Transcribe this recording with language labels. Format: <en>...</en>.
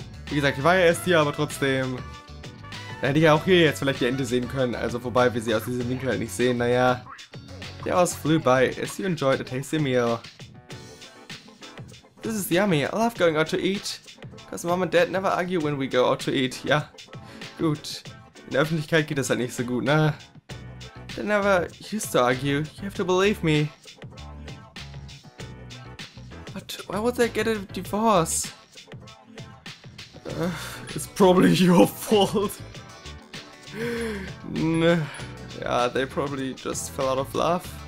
<de>Wie gesagt, ich war ja erst hier, aber trotzdem. Da hätte ich ja auch hier jetzt vielleicht die Ente sehen können, also wobei wir sie aus diesem Winkel halt nicht sehen, naja.</de> <en>The hours flew by as you enjoyed a tasty meal. This is yummy, I love going out to eat. Cause Mom and Dad never argue when we go out to eat, ja.</en> <de>Gut, in der Öffentlichkeit geht das halt nicht so gut, ne?</de> <en>They never used to argue, you have to believe me. But why would they get a divorce? It's probably your fault. Yeah, they probably just fell out of love.</en>